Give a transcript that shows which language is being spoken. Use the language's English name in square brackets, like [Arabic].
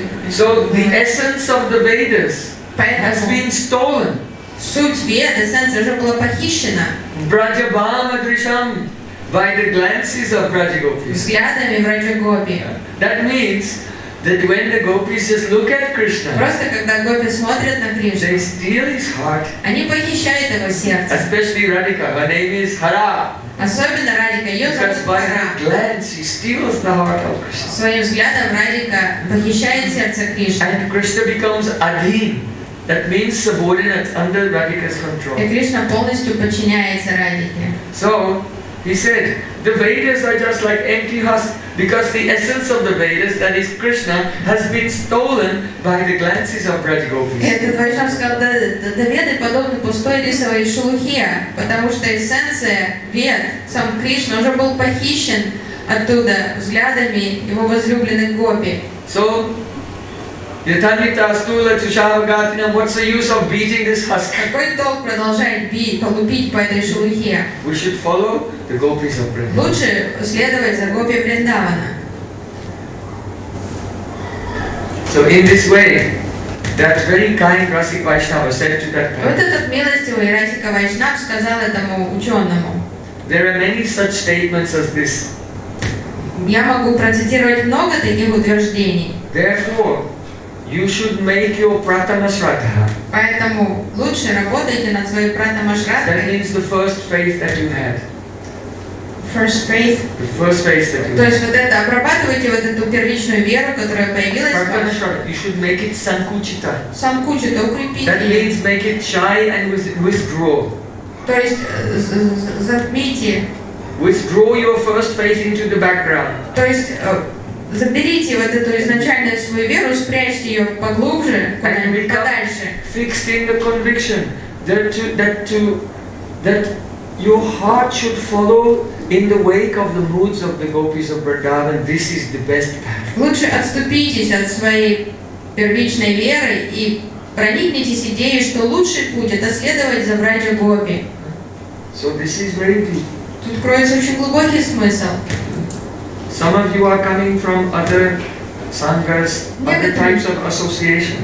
[English] So the essence of the Vedas has been stolen. [Russian] Суть Вед, эссенция уже была похищена. [Sanskrit] Брадхабама дришам [English] by the glances of Брадхагопи. [Russian] Взглядами Брадхагопи. [English] That means that when the gopis just look at Krishna, [Russian] просто когда гопи смотрят на Кришну, [English] they steal his heart. [Russian] Они похищают его сердце. [English] Especially Radhika, her name is Hara. [Russian] Особенно Радика, ее зовут Хара. Своим взглядом Радика похищает сердце Кришны. [English] And Krishna becomes adhin. That means subordinate under Radhika's control. [Russian] И Кришна полностью подчиняется Радике. [English] So, he said, the Vedas are just like empty husks because the essence of the Vedas, that is Krishna, has been stolen by the glances of Brajgopis. [Russian] Этот Вайшнав сказал, да, Веды подобны пустой рисовой шелухе, потому что эссенция Вед, сам Кришна, уже был похищен оттуда взглядами его возлюбленных гопи. [English] So, [Sanskrit] Yatanita Astula Tushavagatina, [English] what's the use of beating this husk? [Russian] Какой толк продолжает бить, полупить по этой шелухе? [English] We should follow the gopis of Vrindavana. [Russian] Лучше следовать за гопи Вриндавана. [English] So in this way, that very kind Rasika Vaishnava said to that person. [Russian] Вот этот милостивый Расика Вайшнав сказал этому ученому. [English] There are many such statements as this. [Russian] Я могу процитировать много таких утверждений. [English] Therefore, you should make your pratama-shraddha. [Russian] Поэтому лучше работайте над своей pratama-shraddha. [English] That means the first faith that you had. First faith. The first faith that you had. [Russian] То есть вот это обрабатывайте вот эту первичную веру, которая появилась. [English] Pratama-shraddha. You should make it sankuchita. [Russian] Sankuchita укрепить. [English] That means make it shy and withdraw. [Russian] То есть затмите. [English] Withdraw your first faith into the background. [Russian] То есть заберите вот эту изначальную свою веру, спрячьте ее поглубже, подальше. [English] Fixed in the conviction that your heart should follow in the wake of the moods of the gopis of Vrindavan. This is the best path. [Russian] Лучше отступитесь от своей первичной веры и проникнитесь идеей, что лучший путь это следовать за Брадхагопи. [English] So this is very deep. [Russian] Тут кроется очень глубокий смысл. [English] Some of you are coming from other sanghas, other types of associations.